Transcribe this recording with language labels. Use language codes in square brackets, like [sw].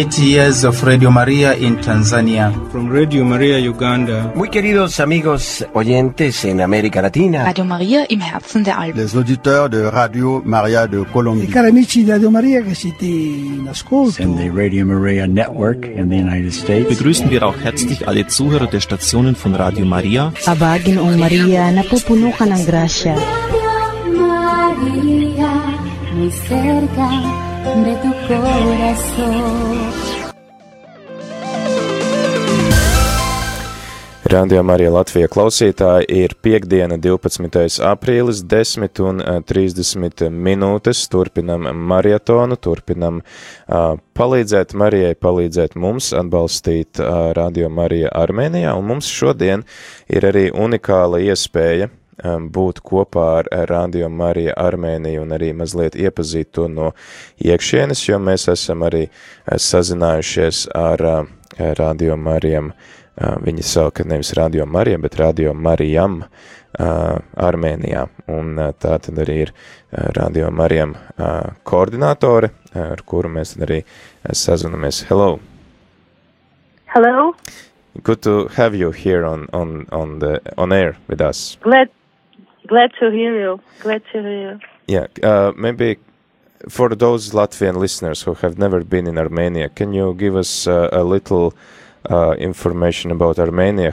[en] Years of Radio Maria in Tanzania. From Radio Maria Uganda. [es] Muy queridos amigos oyentes en América Latina. [de] Radio Maria im Herzen der Alpen. [fr] Les auditeurs de Radio Maria de Colombia. [it] Cari amici di Radio Maria che siete in ascolto. [en] And the Radio Maria network in the United States. [de] Begrüßen wir auch herzlich alle Zuhörer der Stationen von Radio Maria. [tl] Abagin o Maria na pupunuha ng gracia. [es] Radio Maria, muy cerca de tu corazón. [lv] Radio Marija Latvija klausītāji, ir piektdiena 12. aprīlis, 10:30 minūtes. Turpinam maratonu, turpinam palīdzēt Marijai, palīdzēt mums, atbalstīt Radio Marija Armēnijā. Un mums šodien ir arī unikāla iespēja būt kopā ar Radio Marija Armēniju un arī mazliet iepazīt to no iekšienes, jo mēs esam arī sazinājušies ar Radio Marijam, viņi sauk nevis Radio Marijam, bet Radio Marijam Armēnijā, un tā tad arī ir Radio Marijam koordinātore, ar kuru mēs arī sazinamies. [en] Hello! Hello! Good to have you here on air with us. Glad to hear you. Yeah, maybe for those Latvian listeners who have never been in Armenia, can you give us a little information about Armenia?